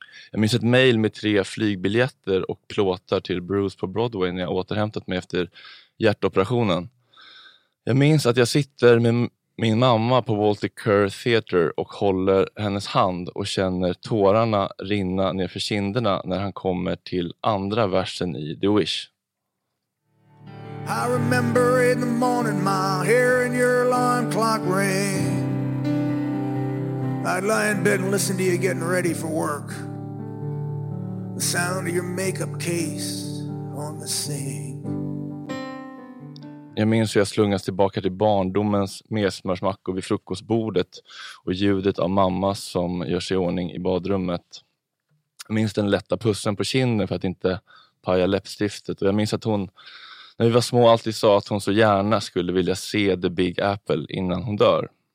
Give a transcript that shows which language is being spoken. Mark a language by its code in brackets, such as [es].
[sv] Jag minns ett mejl med 3 flygbiljetter och plåtar till Bruce på Broadway när jag återhämtat mig efter hjärtoperationen. Jag minns att jag sitter med min mamma på Walter Kerr Theater och håller hennes hand och känner tårarna rinna ner för kinderna när han kommer till andra versen i The Wish. [en] I remember in the morning my hair and your alarm clock rang. I'd lie in bed and listen to you getting ready for work. The sound of your makeup case on the sink. [sv] Jag minns hur jag slungas tillbaka till barndomens mesmörsmackor vid frukostbordet och ljudet av mamma som gör sig i ordning i badrummet. Jag minns den lätta pussen på kinden för att inte paja läppstiftet. Och jag minns att hon, när vi var små, alltid sa att hon så gärna skulle vilja se The Big Apple innan hon dör.